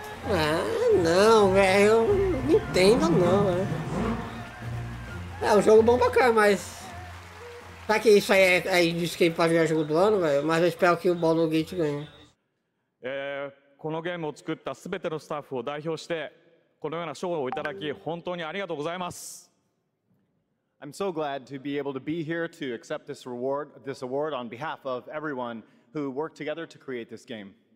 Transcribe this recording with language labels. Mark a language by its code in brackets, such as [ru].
[pt] Ah, não, velho. Não entendo não, velho. É um jogo bom pra cá, mas. Será que isso aí é de skate pra virar jogo do ano, velho? Mas eu espero que o Baldur's Gate ganhe. [ja] このゲームを作ったすべてのスタッフを代表してこのような賞をいただき本当にありがとうございます。 [en] I'm so glad to be able to be here to accept this reward, this award on behalf of everyone who worked together to create this game.